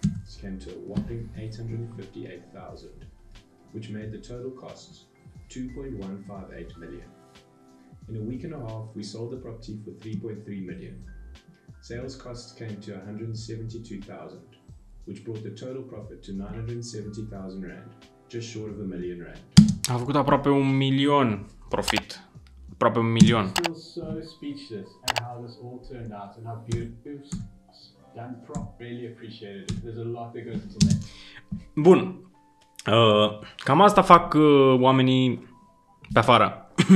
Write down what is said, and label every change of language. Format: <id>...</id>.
<en>It came to a whopping 858,000, which made the total costs 2.158 million. In a week and a half, we sold the property for 3.3 million. Sales costs came to 172,000, which brought the total profit to 970,000 rand, just short of a million rand.</en> <ro>A făcut aproape un milion profit. Aproape un milion.</ro> <en>I feel so speechless at how this all turned out and how beautiful it was. Done prop, really appreciated it. There's a lot that goes into that.</en> <ro>Bun. Cam asta fac oamenii pe afară.</ro>